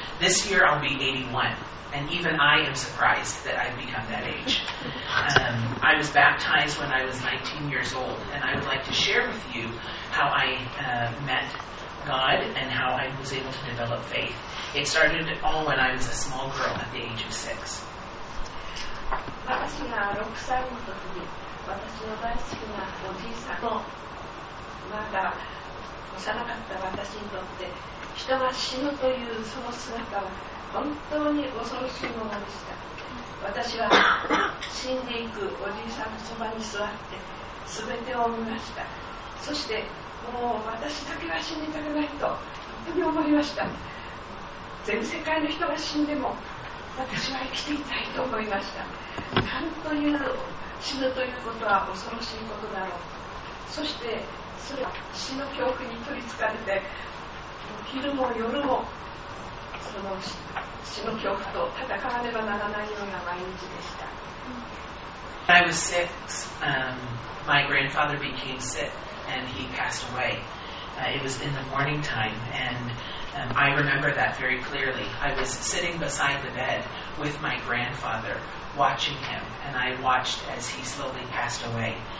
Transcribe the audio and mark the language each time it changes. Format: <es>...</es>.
<en>This year I'll be 81, and even I am surprised that I've become that age. I was baptized when I was 19 years old, and I would like to share with you how I met God and how I was able to develop faith. It started all when I was a small girl at the age of 6.</en> <ja>私が6歳の時に、私の大好きなおじいさんの、まだ幼かった私にとって人が死ぬというその姿は本当に恐ろしいものでした。私は死んでいくおじいさんのそばに座って全てを見ました。そしてもう私だけは死にたくないと本当に思いました。全世界の人が死んでも私は生きていたいと思いました。何という死ぬということは恐ろしいことだろう。そしてそれは死の恐怖に取りつかれて、昼も夜もその死の恐怖と戦わねばならないような毎日でした。</ja> <en>I was six. My grandfather became sick and he passed away. It was in the morning time, and I remember that very clearly. I was sitting beside the bed with my grandfather, watching him, and I watched as he slowly passed away.</en>